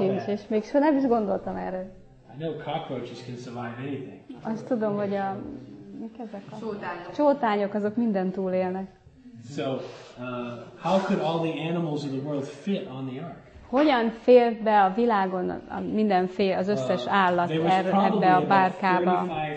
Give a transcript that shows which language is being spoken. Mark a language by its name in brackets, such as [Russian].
[Hungarian] sincs, és még soha nem is gondoltam erre. [English] I know cockroaches can survive anything. [Hungarian] Azt tudom, hogy a mik ezek a csótányok, azok mindent túlélnek. [English] So, how could all the animals of the world fit on the ark? [Hungarian] Hogyan fér be a világon a mindenféle az összes állat ebbe a bárkába?